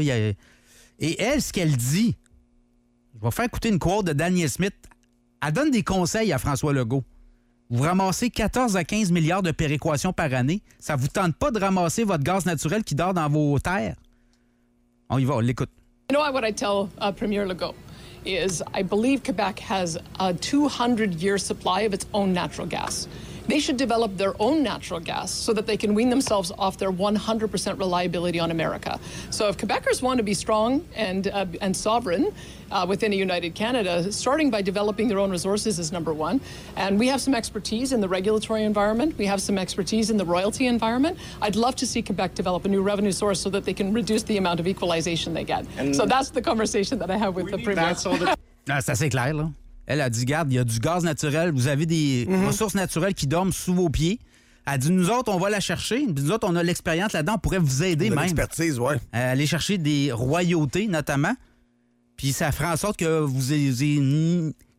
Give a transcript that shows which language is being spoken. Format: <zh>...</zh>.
<fr>Et elle, ce qu'elle dit, je vais faire écouter une quote de Danielle Smith. Elle donne des conseils à François Legault. Vous ramassez 14 à 15 milliards de péréquations par année. Ça vous tente pas de ramasser votre gaz naturel qui dort dans vos terres? On y va, on l'écoute.</fr> <en>You know what I tell Premier Legault is I believe Quebec has a 200-year supply of its own natural gas. They should develop their own natural gas so that they can wean themselves off their 100% reliability on America. So if Quebecers want to be strong and sovereign within a united Canada, starting by developing their own resources is number one. And we have some expertise in the regulatory environment. We have some expertise in the royalty environment. I'd love to see Quebec develop a new revenue source so that they can reduce the amount of equalization they get. And so that's the conversation that I have with the Premier.</en> <fr>C'est assez clair, là. Elle a dit, regarde, il y a du gaz naturel, vous avez des ressources naturelles qui dorment sous vos pieds. Elle dit, nous autres, on va la chercher. Nous autres, on a l'expérience là-dedans, on pourrait vous aider même. L'expertise, ouais. Aller chercher des royautés, notamment. Puis ça fera en sorte que vous ayez...</fr>